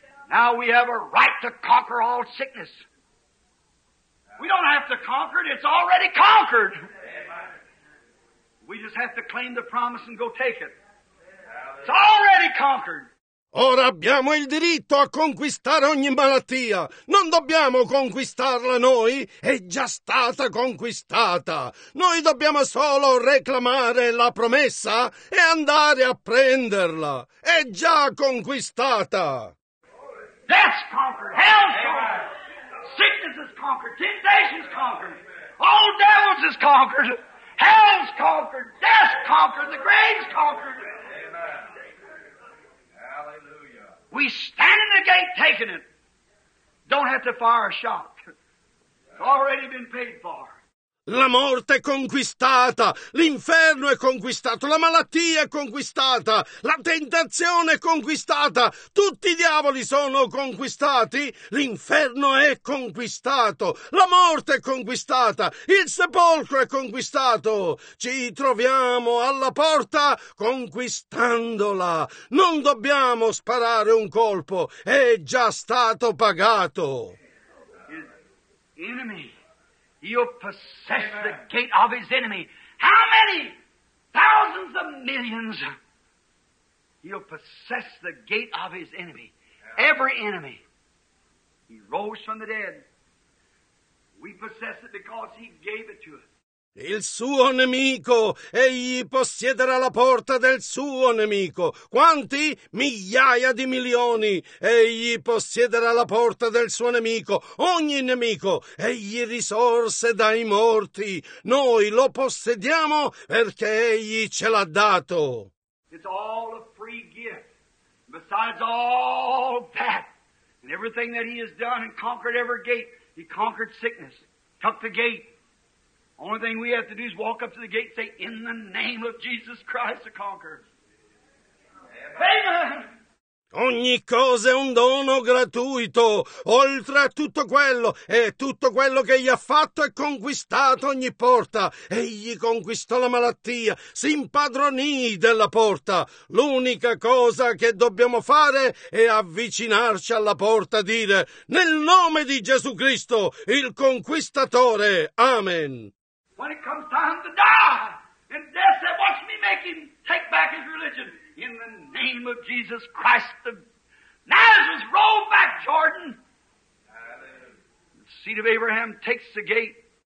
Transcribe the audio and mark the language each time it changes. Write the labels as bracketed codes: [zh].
[en] Now we have a right to conquer all sickness. We don't have to conquer it, it's already conquered. We just have to claim the promise and go take it. It's already conquered. [it] Ora abbiamo il diritto a conquistare ogni malattia. Non dobbiamo conquistarla noi. È già stata conquistata. Noi dobbiamo solo reclamare la promessa e andare a prenderla. È già conquistata. [en] Death's conquered. Hell's conquered. Sickness is conquered. Temptation's conquered. All devils is conquered. Hell's conquered, death's conquered, the grave's conquered. Amen. Hallelujah. We stand in the gate taking it. Don't have to fire a shot. It's already been paid for. [it] La morte è conquistata, l'inferno è conquistato, la malattia è conquistata, la tentazione è conquistata, tutti i diavoli sono conquistati, l'inferno è conquistato, la morte è conquistata, il sepolcro è conquistato. Ci troviamo alla porta conquistandola. Non dobbiamo sparare un colpo, è già stato pagato. [en] You possess Amen. The gate of his enemy. How many? Thousands of millions. You possess the gate of his enemy. Yeah. Every enemy. He rose from the dead. We possess it because he gave it to us. [it] Il suo nemico, egli possiederà la porta del suo nemico. Quanti? Migliaia di milioni. Egli possiederà la porta del suo nemico. Ogni nemico, egli risorse dai morti. Noi lo possediamo perché egli ce l'ha dato. [en] It's all a free gift. Besides all that, and everything that he has done and conquered every gate, he conquered sickness, took the gate. Only thing we have to do is walk up to the gate and say, in the name of Jesus Christ, the conqueror. Amen. Amen. [it] Ogni cosa è un dono gratuito, oltre a tutto quello, e tutto quello che egli ha fatto è conquistato ogni porta. Egli conquistò la malattia, si impadronì della porta. L'unica cosa che dobbiamo fare è avvicinarci alla porta e dire, nel nome di Gesù Cristo, il conquistatore. Amen. [en] When it comes time to die, and death said, watch me make him take back his religion. In the name of Jesus Christ of Nazareth, roll back Jordan. The seed of Abraham takes the gate.